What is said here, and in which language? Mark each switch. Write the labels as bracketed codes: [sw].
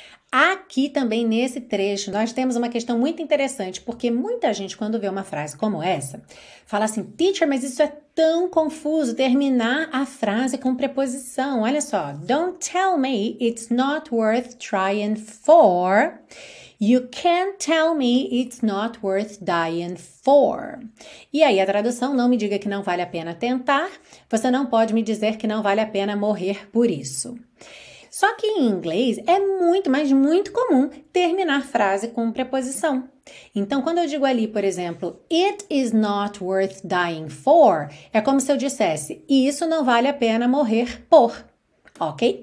[pt] Aqui também nesse trecho, nós temos uma questão muito interessante, porque muita gente, quando vê uma frase como essa, fala assim: teacher, mas isso é tão confuso terminar a frase com preposição. [en] Olha só: don't tell me it's not worth trying for. You can't tell me it's not worth dying for. [pt] E aí a tradução: não me diga que não vale a pena tentar. Você não pode me dizer que não vale a pena morrer por isso. Só que em inglês é muito, mas muito comum terminar frase com preposição. Então, quando eu digo ali, por exemplo, [en] it is not worth dying for, [pt] é como se eu dissesse, isso não vale a pena morrer por. Ok?